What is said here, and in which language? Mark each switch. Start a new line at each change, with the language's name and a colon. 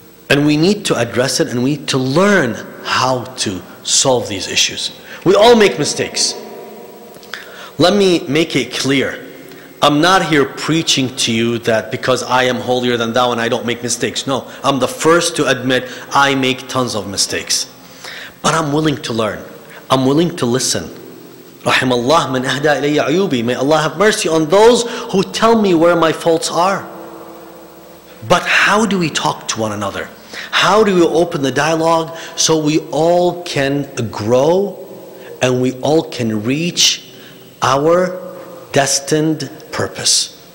English: And we need to address it and we need to learn how to solve these issues. We all make mistakes. Let me make it clear. I'm not here preaching to you that because I am holier than thou and I don't make mistakes. No, I'm the first to admit I make tons of mistakes. But I'm willing to learn. I'm willing to listen.
Arabic: رحم الله من أهدى إلي عيوبي.
English: May Allah have mercy on those who tell me where my faults are. But how do we talk to one another? How do we open the dialogue so we all can grow and we all can reach our destined purpose?